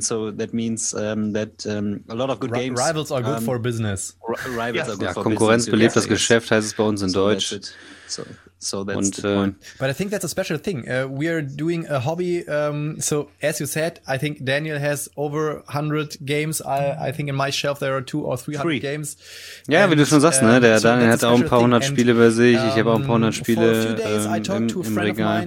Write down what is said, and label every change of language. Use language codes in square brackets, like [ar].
[en] So that means a lot of good games. Rivals are good for business. Rivals are good for [de] Konkurrenz [en] business. [de] Belebt das Geschäft, heißt es bei uns in so Deutsch. [en] So that's und, the point. But I think that's a special thing. We are doing a hobby. So as you said, I think Daniel has over 100 games. I think in my shelf there are 200 or 300 games. [de] Ja, and, wie du schon sagst, ne? Der Daniel hat auch ein paar hundert Spiele bei sich. Ich habe auch ein paar hundert Spiele im Regal.